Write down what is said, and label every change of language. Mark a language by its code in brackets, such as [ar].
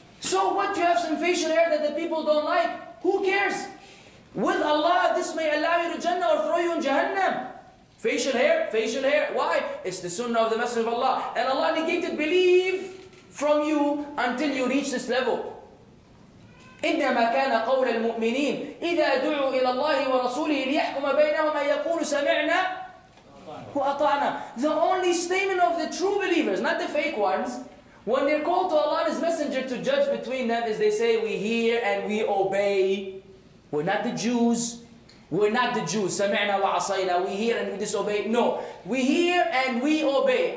[en] So what, you have some facial hair that the people don't like? Who cares? With Allah, this may allow you to Jannah or throw you in Jahannam. Facial hair, facial hair. Why? It's the sunnah of the Messenger of Allah. And Allah negated belief from you until you reach this level. [ar] إنما كان قول المؤمنين إذا دعوا إلى الله ورسوله ليحكم بينهم أن يقولوا سمعنا وأطعنا. [en] The only statement of the true believers, not the fake ones, when they're called to Allah and His Messenger to judge between them, is they say, we hear and we obey. We're not the Jews. We're not the Jews. [ar] سمعنا وعصينا. [en] We hear and we disobey. No. We hear and we obey.